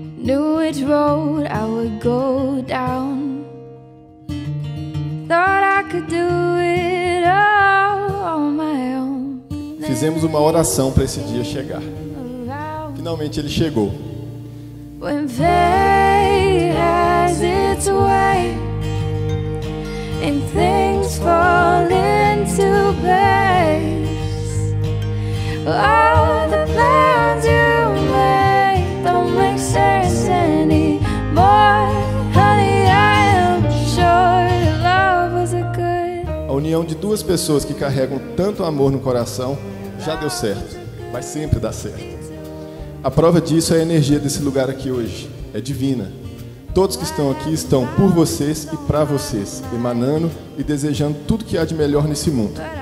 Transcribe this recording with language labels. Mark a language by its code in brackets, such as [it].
[en] knew which road I would go down. Thought I could do it all on my own. [pt] Fizemos uma oração para esse dia chegar. Finalmente ele chegou. [en] When fate has its way and things fall into place, all the plans you make don't make sense anymore. Honey, I am sure love was a good. [pt] A união de duas pessoas que carregam tanto amor no coração já deu certo, vai sempre dar certo. A prova disso é a energia desse lugar aqui hoje. É divina. Todos que estão aqui estão por vocês e para vocês, emanando e desejando tudo que há de melhor nesse mundo.